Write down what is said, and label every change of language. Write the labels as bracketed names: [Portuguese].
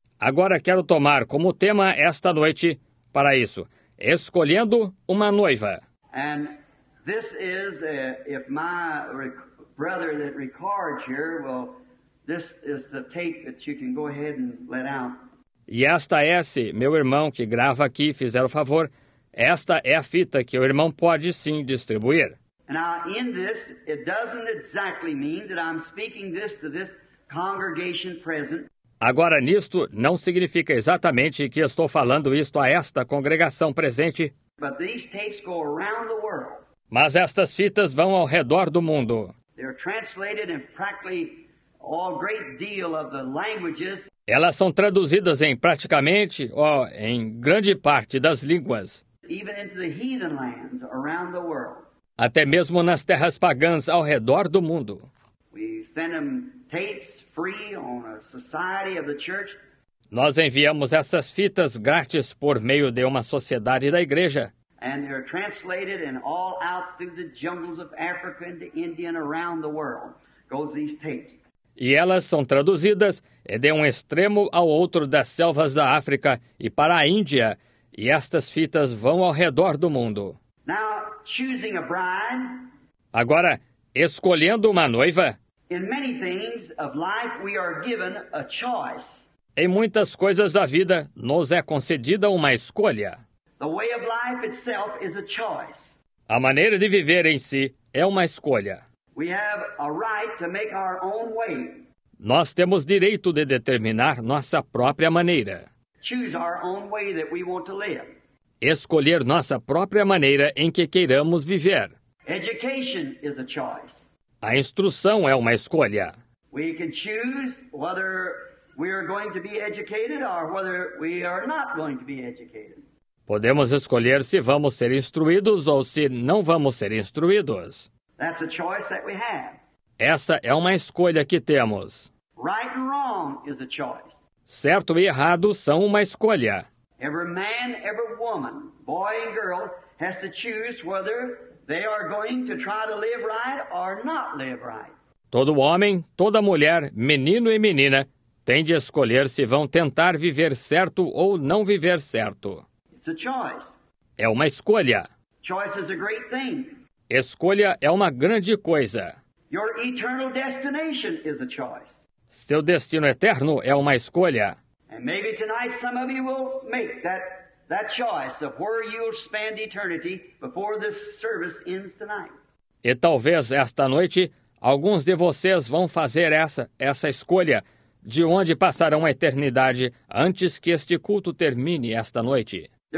[Portuguese] Agora quero tomar como tema esta noite para isso, escolhendo uma noiva. [English] And this is, if my brother that records here, well, this is the tape that you can go ahead and let out. [Portuguese] E esta é, se meu irmão que grava aqui fizer o favor, esta é a fita que o irmão pode sim distribuir. [English] Now, in this, it doesn't exactly mean that I'm speaking this to this congregation present. [Portuguese] Agora, nisto, não significa exatamente que estou falando isto a esta congregação presente. [English] But these tapes go around the world. [Portuguese] Mas estas fitas vão ao redor do mundo. [English] They're translated in practically a great deal of the languages. [Portuguese] Elas são traduzidas em praticamente, em grande parte das línguas. [English] Even into the heathen lands around the world. [Portuguese] Até mesmo nas terras pagãs ao redor do mundo. [English] We send them tapes free on a society of the church. [Portuguese] Nós enviamos essas fitas grátis por meio de uma sociedade da igreja. [English] And they're translated and all out through the jungles of Africa and the Indian around the world. Goes these tapes. [Portuguese] E elas são traduzidas de um extremo ao outro das selvas da África e para a Índia. E estas fitas vão ao redor do mundo. [English] Now, choosing a bride, [Portuguese] agora, escolhendo uma noiva. [English] In many things of life, we are given a choice. [Portuguese] Em muitas coisas da vida, nos é concedida uma escolha. [English] The way of life itself is a choice. [Portuguese] A maneira de viver em si é uma escolha. [English] We have a right to make our own way. [Portuguese] Nós temos direito de determinar nossa própria maneira. [English] Choose our own way that we want to live. [Portuguese] Escolher nossa própria maneira em que queiramos viver. [English] Education is a choice. [Portuguese] A instrução é uma escolha. [English] We can choose whether we are going to be educated or whether we are not going to be educated. [Portuguese] Podemos escolher se vamos ser instruídos ou se não vamos ser instruídos. [English] That's a choice that we have. [Portuguese] Essa é uma escolha que temos. [English] Right and wrong is a choice. [Portuguese] Certo e errado são uma escolha. [English] Every man, every woman, boy and girl, has to choose whether they are going to try to live right or not live right. [Portuguese] Todo homem, toda mulher, menino e menina, tem de escolher se vão tentar viver certo ou não viver certo. [English] It's a choice. [Portuguese] É uma escolha. [English] Choice is a great thing. [Portuguese] Escolha é uma grande coisa. [English] Your eternal destination is a choice. [Portuguese] Seu destino eterno é uma escolha. [English] And maybe tonight some of you will make that choice of where you'll spend eternity before this service ends tonight. [Portuguese] E talvez esta noite alguns de vocês vão fazer essa escolha de onde passarão a eternidade antes que este culto termine esta noite.